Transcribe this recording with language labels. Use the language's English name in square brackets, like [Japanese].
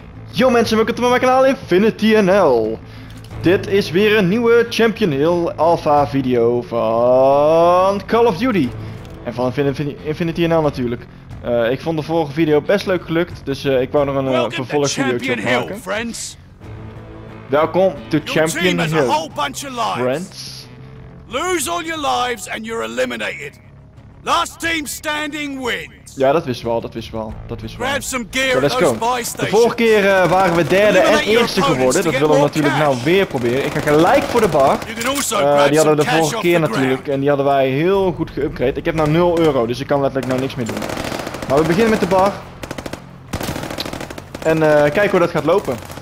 [Dutch] Yo mensen, welkom bij mijn kanaal InfinityNL. Dit is weer een nieuwe Champion Hill Alpha video van Call of Duty. En van InfinityNL natuurlijk. Ik vond de vorige video best leuk gelukt, dus ik wou nog een vervolgvideo maken. [English] Welkom to Champion Hill, friends. Lose all your lives and you're eliminated. Last team standing wins. [Dutch] Ja, dat wisten we al, [English] Grab some gear, so let's go. [Dutch] De vorige keer waren we derde en eerste geworden. Dat willen we natuurlijk nou weer proberen. Ik ga gelijk voor de bar. Die hadden we de vorige keer natuurlijk. En die hadden wij heel goed geüpgraded. Ik heb nou 0 euro, dus ik kan letterlijk nou niks meer doen. Maar we beginnen met de bar. En kijken hoe dat gaat lopen.